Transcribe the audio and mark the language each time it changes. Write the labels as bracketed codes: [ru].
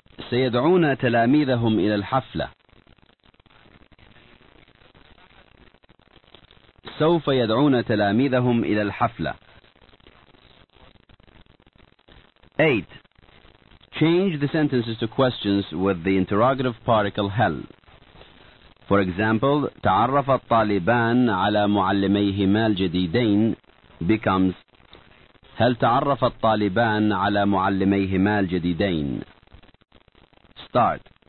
[ar] سيدعون تلاميذهم إلى الحفلة. سوف يدعون تلاميذهم إلى الحفلة. [en] 8. Change the sentences to questions with the interrogative particle هل. For example, [ar] تعرف الطالبان على معلميهما الجديدين [en] becomes [ar] هل تعرف الطالبان على معلميهما الجديدين. [en] Start.